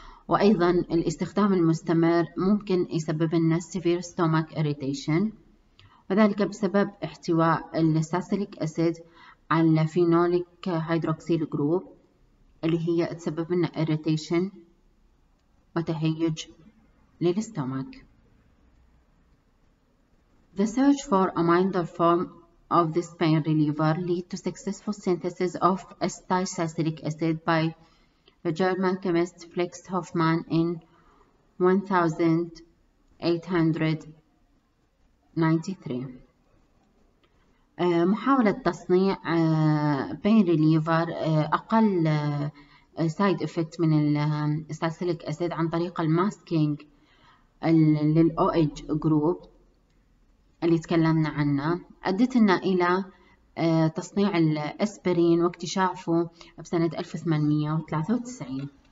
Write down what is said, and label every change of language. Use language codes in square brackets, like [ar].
[ar] وأيضا الاستخدام المستمر ممكن يسبب لنا [en] severe stomach irritation، [ar] وذلك بسبب احتواء الساليسيليك أسيد على فينوليك هيدروكسيل جروب، اللي هي تسبب لنا irritation وتهيج للستومك. [en] The search for a milder form of this pain reliever lead to successful synthesis of acetylsalicylic acid by the German chemist Felix Hoffmann in 1893. [ar] محاولة تصنيع pain reliever أقل side effect من الساليسيليك أسيد عن طريق الماسكينج للـ OH group اللي تكلمنا عنه، أدتنا إلى تصنيع الأسبرين واكتشافه بسنة 1893.